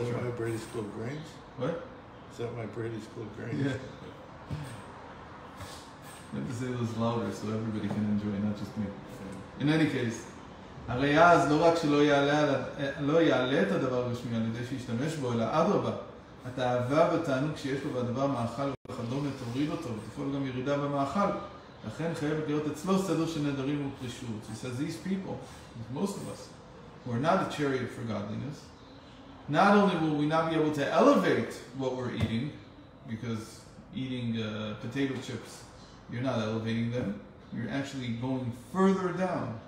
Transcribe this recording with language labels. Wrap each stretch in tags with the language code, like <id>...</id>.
<en>Is that why my bread is full of grains? What? Is that why my bread is full of grains? Yeah. I have to say those louder so everybody can enjoy, not just me. In any case,</en> <he>הרי אז לא רק שלא יעלה את הדבר בשמי על ידי שישתמש בו, אלא אדרבה, התאווה בתענוג שיש לו בדבר מאכל וכדומה תוריד אותו, ותפעול גם ירידה במאכל. לכן חייבת להיות אצלו סדר של נדרים ופרישות.</he> <en>He says, these people, most of us, who are not a chariot for godliness, not only will we not be able to elevate what we're eating, because eating potato chips, you're not elevating them, you're actually going further down.</en>